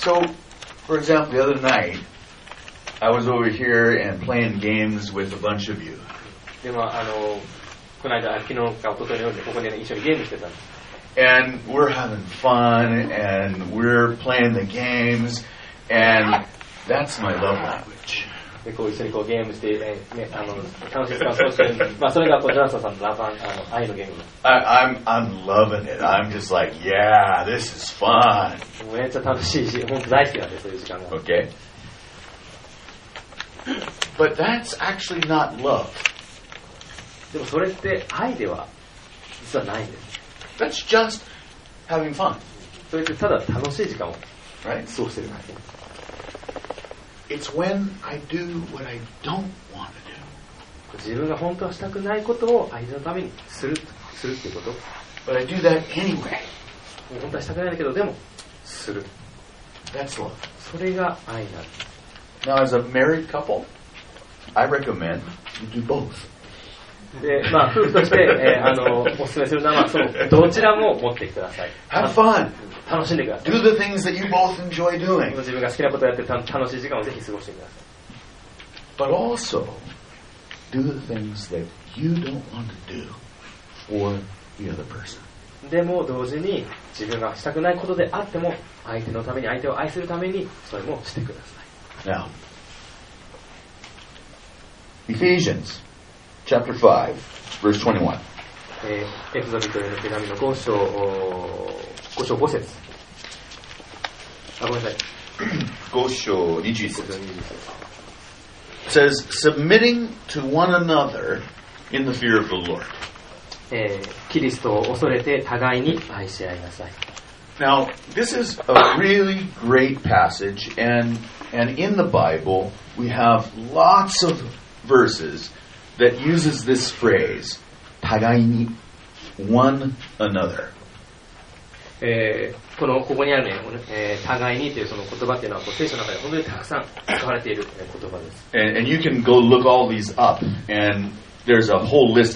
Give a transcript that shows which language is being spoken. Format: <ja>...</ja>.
<en>So, for example, the other night, I was over here and playing games with a bunch of you.</en> <ja>でも、この間、昨日か一昨日のように、ここで、ね、一緒にゲームしてたんです。</ja> <en>And we're having fun, and we're playing the games, and that's my love language.</en> <ja>で、こう一緒にこうゲームして、ね、楽しい時間を過ごして、まあ、それがこうジョナサンさんのラバン、愛のゲーム。</ja> <en>I'm loving it. I'm just like, yeah, this is fun.</en> <ja>めっちゃ楽しいし、本当大好きなんです、そういう時間が。</ja> <en>Okay. But that's actually not love.</en> <ja>でもそれって愛では実はないんです。</ja> <en>That's just having fun.</en> <ja>それってただ楽しい時間を過ごしてるだけ。</ja> <en>It's when I do what I don't want to do.</en> <ja>自分が本当はしたくないことを愛のためにするするっていうこと。</ja> <en>But I do that anyway.</en> <ja>本当はしたくないんだけどでもする。</ja> <en>That's love.</en> <ja>それが愛なんです。</ja> <en>Now as a married couple, I recommend you do both.</en> <ja>で、まあ夫婦として、おすすめするのはそのどちらも持ってください。</ja> <en>Have fun.</en> <ja>楽しんでください。</ja> <en>Do the things that you both enjoy doing.</en> <ja>自分が好きなことをやって楽しい時間をぜひ過ごしてください。</ja> <en>But also do the things that you don't want to do for the other person.</en> <ja>でも同時に自分がしたくないことであっても相手のために相手を愛するためにそれもしてください。</ja> <en>Now, Ephesians chapter 5, verse 21.</en> <ja>エフソ人への手紙の5章を5章5節あ、ごめんなさい 5章21節</ja> <en>It says submitting to one another in the fear of the Lord、</en> <ja>キリストを恐れて互いに愛し合いなさい。</ja> <en>Now this is a really great passage and in the Bible we have lots of verses that uses this phrase 互いに one another</en> <ja>このここにあるね、互いにというその言葉っていうのはこう聖書の中で本当にたくさん使われている言葉です。</ja> <en>And you can go look all these up, and there's a whole list.</en>